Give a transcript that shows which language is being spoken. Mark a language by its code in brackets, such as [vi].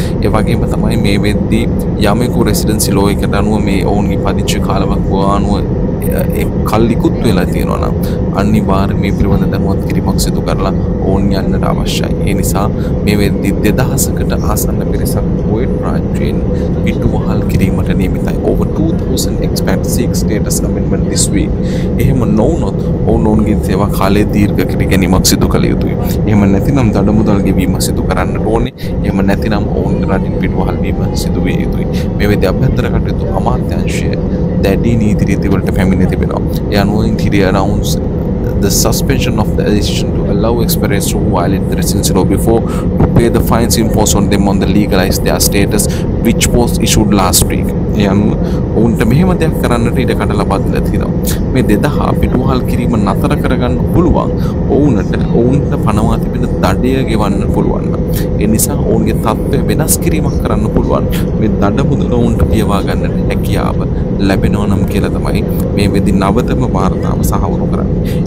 [si] ඒ වගේම තමයි මේ වෙද්දි යමෙකු රෙසිඩෙන්සි ලෝ එකට අනුව මේ ඔවුන්ගේ පදිංචි කාලවකවානුව ඒ කල්ලිකුත් වෙලා තියෙනවා නම් අනිවාර්යයෙන් මේ පිළිබඳ දැනුවත් කිරීමක් සිදු කරලා ඕන් යන්නට අවශ්‍යයි. ඒ නිසා මේ වෙද්දි 2000කට ආසන්න පිරිසක් කුවෙට් රාජ්‍යයෙන් පිටුවහල් කිරීමට නියමිතයි. [en] Over 2000 expat seek status amendment this week. [si] එහෙම නොවුනොත් ඔවුන්ගේ සේවා කාලය දීර්ඝ කර ගැනීමක් සිදු කළ යුතුයි. එහෙම නැතිනම් දඩ මුදල් ගෙවීම සිදු කරන්නට ඕනේ. එහෙම නැතිනම් ඔවුන් රටින් පිටුවහල් වීම සිදු විය යුතුයි. මේ වෙද්දි අභ්‍යන්තර කටයුතු අමාත්‍යංශය දැඩි නීති රීති වලට පැමිණ තිබෙනවා. යනුව [en] Interior announce the suspension of the decision to allow expatriates to violate the residency law before to pay the fines imposed on them on the legalize their status which was issued last week. [si] ඔවුන්ට මෙහෙම දෙයක් කරන්නට ඉඩකඩ ලබා දීලා තියෙනවා. මේ 2000 පිටුවහල් කිරීම නතර කරගන්න පුළුවන් ඔවුන්ට ඔවුන්ට පනවා තිබෙන දඩය ගෙවන්න පුළුවන්. ඒ නිසා ඔවුන්ගේ තත්ත්වය වෙනස් කිරීමක් කරන්න පුළුවන්. මේ දඩ මුදල ඔවුන්ට පියවා ගන්නට හැකියාව ලැබෙනවා නම් කියලා තමයි මේ වෙදි නවතම වාර්තාව සහවුරු කරන්නේ.